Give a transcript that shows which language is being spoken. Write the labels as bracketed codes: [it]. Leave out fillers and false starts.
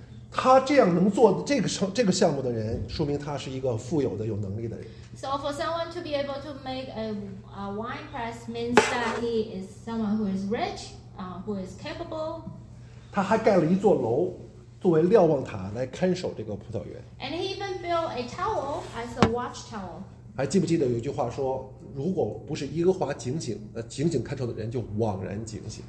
[zh] 他这样能做这个项目的人，说明他是一个富有的、有能力的人。 [en] So for someone to be able to make a wine press means that he is someone who is rich, who is capable. [zh] 他还盖了一座楼，作为瞭望塔来看守这个葡萄园。 [en] And he even built a tower as a watchtower. [zh] 还记不记得有一句话说，如果不是耶和华警醒，警醒看守的人就枉然警醒。